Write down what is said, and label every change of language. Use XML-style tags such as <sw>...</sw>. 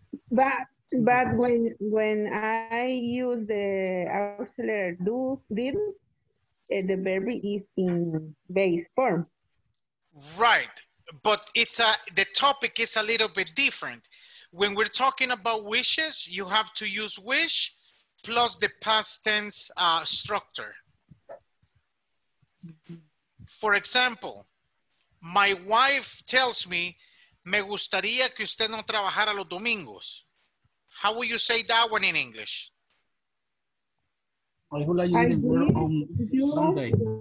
<en>But when I use the auxiliary do, did, the verb is in base form. Right, but it's a, the topic is a little bit different. When we're talking about wishes, you have to use wish plus the past tense structure. For example, my wife tells me,</en> <es>me gustaría que usted no trabajara los domingos.</es> <en>How will you say that one in English? I would like you to work on Sunday.</en>